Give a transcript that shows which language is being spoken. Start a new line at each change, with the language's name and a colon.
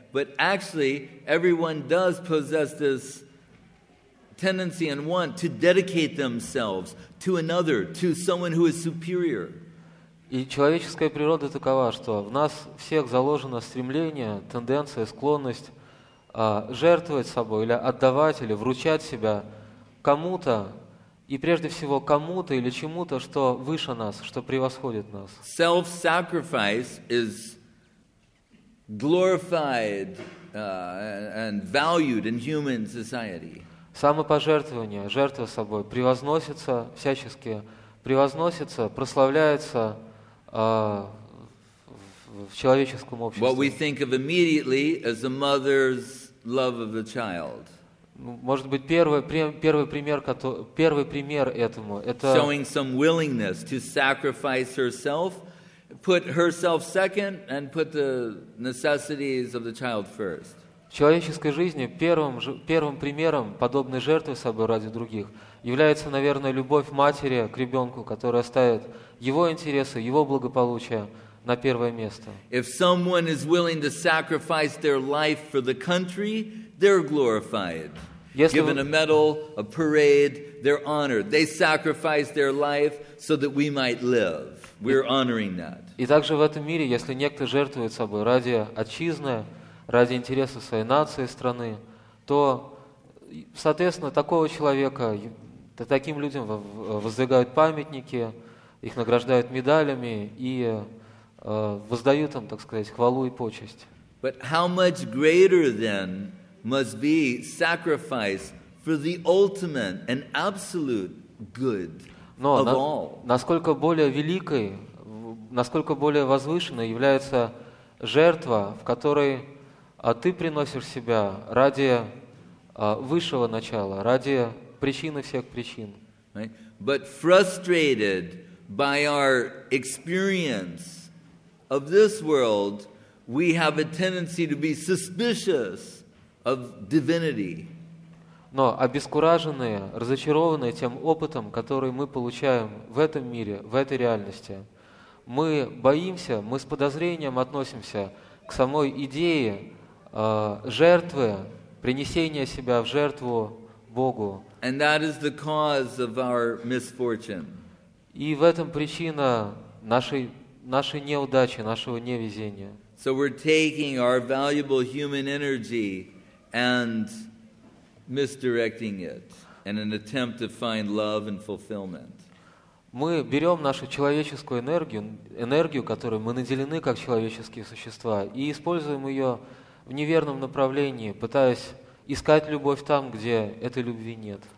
English: But actually, everyone does possess this tendency and want to dedicate themselves to another, to someone who is superior.
Russian: И человеческая природа такова, что в нас всех заложено стремление, тенденция, склонность жертвовать собой или отдавать, или вручать себя кому-то, и прежде всего кому-то или чему-то, что выше нас, что превосходит нас.
English: Self-sacrifice is glorified and valued in human society.
Russian: Самопожертвование, жертва собой, превозносится всячески, превозносится, прославляется в человеческом обществе.
English: What we think of immediately as a mother's love of the child.
Russian: Может быть, первый пример этому это
English: showing some willingness to sacrifice herself, put herself second and put the necessities of the child first.
Russian: В человеческой жизни первым примером подобной жертвы собой ради других является, наверное, любовь матери к ребенку, которая ставит его интересы, его благополучие на первое место.
English: If someone is willing to sacrifice their life for the country, they're glorified. Given a medal, a parade, they're honored. They sacrifice their life so that we might live. We're honoring that.
Russian: И также в этом мире, если некто жертвует собой ради отчизны, ради интереса своей нации, страны, то, соответственно, такого человека, таким людям воздвигают памятники, их награждают медалями и воздают им, так сказать, хвалу и почесть.
English: But how much greater then must be sacrifice for the ultimate and absolute good of all?
Russian: Насколько более великой, насколько более возвышенной является жертва, в которой а ты приносишь себя ради высшего начала, ради причины всех причин.
English: Right? But frustrated by our experience of this world, we have a tendency to be suspicious of divinity.
Russian: Но обескураженные, разочарованные тем опытом, который мы получаем в этом мире, в этой реальности, мы боимся, мы с подозрением относимся к самой идее жертвы, принесения себя в жертву Богу.
English: And that is the cause of our misfortune.
Russian: И в этом причина нашей неудачи, нашего невезения.
English: So we're taking our valuable human energy and misdirecting it in an attempt to find love and fulfillment.
Russian: Мы берем нашу человеческую энергию, которой мы наделены как человеческие существа, и используем ее в неверном направлении, пытаясь искать любовь там, где этой любви нет.